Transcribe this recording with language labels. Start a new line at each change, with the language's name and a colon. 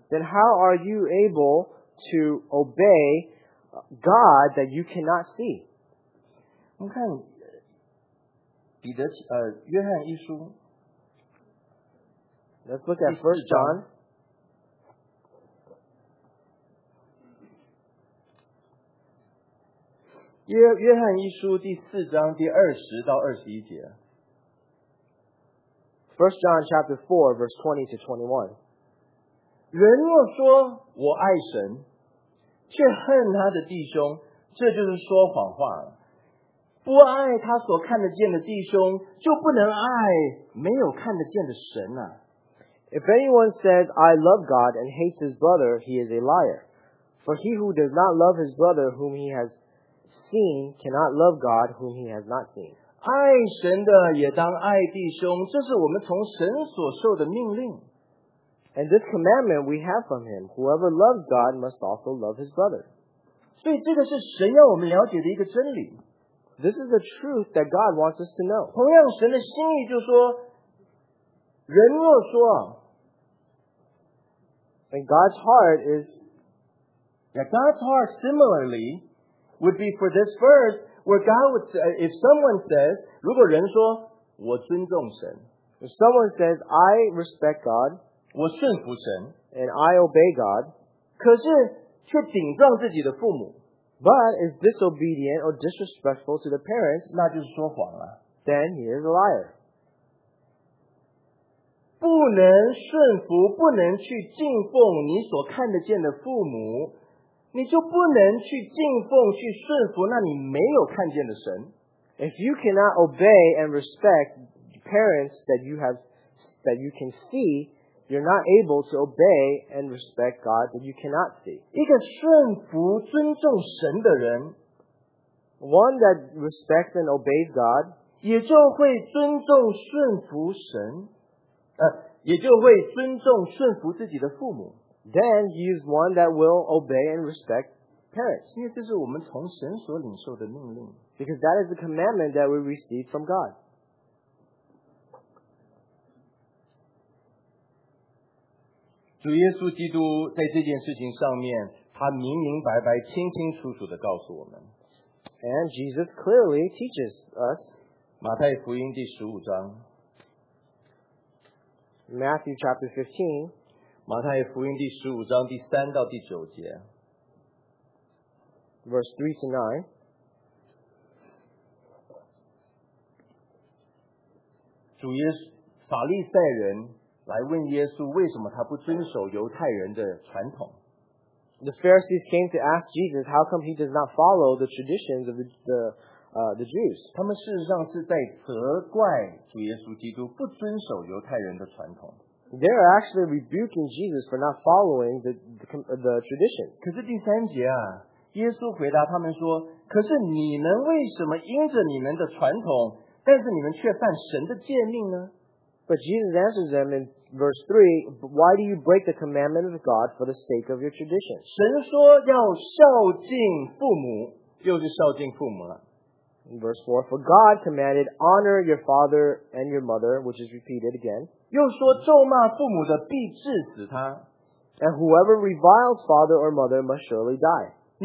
English: Then how are you able to obey God that you cannot see?
Chinese: 我们看彼得约翰一书。
English: Let's look at 1 John.
Chinese: 约翰一书第四章第二十到二十一节。
English: First John chapter 4, verse 20 to 21.
Chinese: 人若说我爱神，却恨他的弟兄，这就是说谎话了。不爱他所看得见的弟兄，就不能爱没有看得见的神啊。
English: If anyone says, I love God and hates his brother, he is a liar. For he who does not love his brother whom he has seen cannot love God whom he has not seen.
Chinese: 爱神的也当爱弟兄，这是我们从神所受的命令。
English: And this commandment we have from him, whoever loves God must also love his brother.
Chinese: 所以这个是神要我们了解的一个真理。
English: This is the truth that God wants us to know.
Chinese: 同样神的心意就是说，人若说
English: And God's heart is Yeah, God's heart similarly would be for this verse where God would say, if someone says,
Chinese: 如果人说我尊重神
English: If someone says, I respect God
Chinese: 我顺服神
English: And I obey God
Chinese: 可是却顶撞自己的父母
English: But is disobedient or disrespectful to the parents
Chinese: 那就是说谎了
English: Then he is a liar
Chinese: 不能顺服，不能去敬奉你所看得见的父母，你就不能去敬奉、去顺服那你没有看见的神。
English: If you cannot obey and respect parents that you can see, you're not able to obey and respect God that you cannot see.
Chinese: 一个顺服、尊重神的人
English: ，one that respects and obeys God，
Chinese: 也就会尊重、顺服神。也就会尊重顺服自己的父母
English: Then he is one that will obey and respect parents
Chinese: 因为这是我们从神所领受的命令
English: Because that is the commandment that we receive from God
Chinese: 主耶稣基督在这件事情上面他明明白白清清楚楚地告诉我们
English: And Jesus clearly teaches us
Chinese: 马太福音第十五章
English: Matthew chapter 15,
Chinese: 马太福音第十五章第三到第九节
English: verse 3 to 9.
Chinese: 主耶稣，法利赛人来问耶稣，为什么他不遵守犹太人的传统？
English: the Pharisees came to ask Jesus how come he does not follow the traditions of the Jews.
Chinese: 他们事实上是在责怪主耶稣基督不遵守犹太人的传统。
English: They are actually rebuking Jesus for not following the traditions.
Chinese: 可是第三节啊, 耶稣回答他们说, 可是你们为什么因着你们的传统, 但是你们却犯神的诫命呢?
English: But Jesus answers them in verse 3, why do you break the commandment of God for the sake of your tradition?
Chinese: 神说要孝敬父母, 又是孝敬父母了。
English: In verse 4, for God commanded, honor your father and your mother, which is repeated again.
Chinese: 又说咒骂父母的必致死他,
English: and whoever reviles father or mother must surely die.